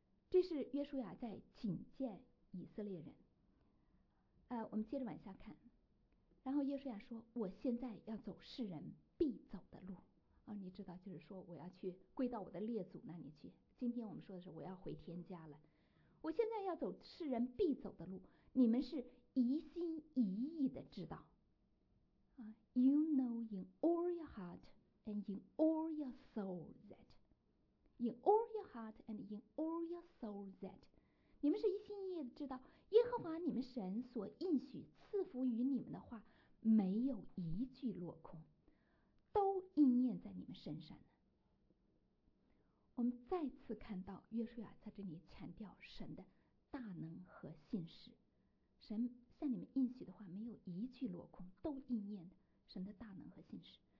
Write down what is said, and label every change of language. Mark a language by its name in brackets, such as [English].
[Chinese] 这是约书亚在警戒以色列人，我们接着往下看，然后约书亚说，我现在要走世人必走的路，你知道，就是说我要去归到我的列祖那里去，今天我们说的是我要回天家了，我现在要走世人必走的路，你们是一心一意的知道。 [English] You know in all your heart and in all your soul that. In all your heart and in all your soul that. [Chinese] 你们是一心一意的知道耶和华你们神所应许赐福于你们的话没有一句落空，都应验在你们身上的。我们再次看到约书亚在这里强调神的大能和信实，神向你们应许的话没有一句落空，都应验的神的大能和信实。